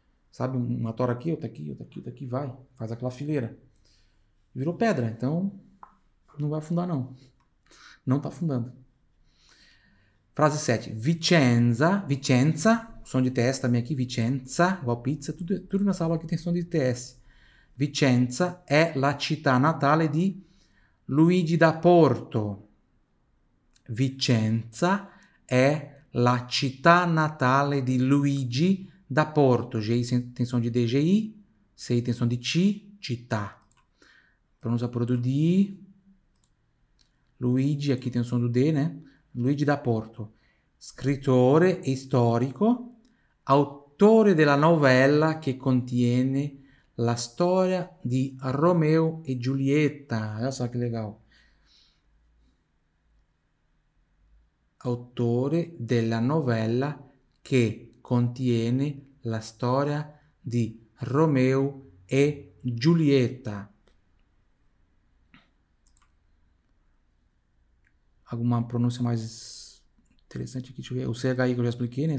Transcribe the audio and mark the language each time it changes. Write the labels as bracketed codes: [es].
[pt] Sabe, uma tora aqui, outra aqui, outra aqui, outra aqui, vai. Faz aquela fileira. Virou pedra. Então, não vai afundar, não. Não está afundando. Frase 7. Vicenza. Som de TS também aqui, Vicenza, igual pizza, tudo nessa aula aqui tem som de TS. [it] Vicenza è la città natale di Luigi da Porto. Vicenza è la città natale di Luigi da Porto. [pt] GI tem som de DGI, CI tem som di CI, città. Pronuncia pure do D. Luigi, aqui tem som do D, né? [it] Luigi da Porto. Scrittore e storico. Autore della novella che contiene la storia di Romeo e Giulietta. Guarda che legal. Autore della novella che contiene la storia di Romeo e Giulietta. [pt] Alguma pronúncia mais interessante aqui? Deixa eu ver. O CHI que eu já expliquei, né?